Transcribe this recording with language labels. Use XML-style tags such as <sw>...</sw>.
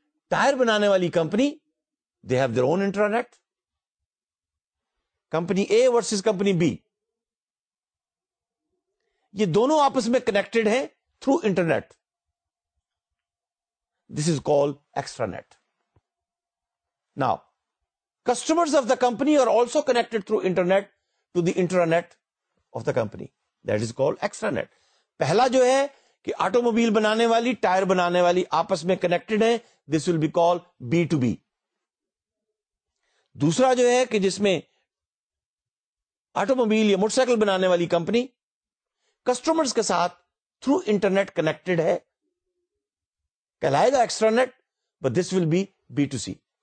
<ur>Tyre بنانے والی company,</ur> <en>They have their own internet. Company A versus company B,</en> <ur>یہ دونوں آپس میں کنیکٹڈ ہیں through internet.</ur> <en>This is call extranet. Now customers of the company are also connected through internet to the internet of the company, that is call extranet.</en> <ur>پہلا جو ہے کہ auto mobile بنانے والی tyre بنانے والی آپس میں کنیکٹڈ ہیں,</ur> <en>This will be call B to B.</en> <ur>دوسرا جو ہے کہ جس میں آٹو موبائل یا موٹر سائیکل بنانے والی کمپنی کسٹمرز کے ساتھ تھرو انٹرنیٹ کنیکٹڈ ہے, کہلائے گا extra net,</ur> <en>But this will be B to C.</en>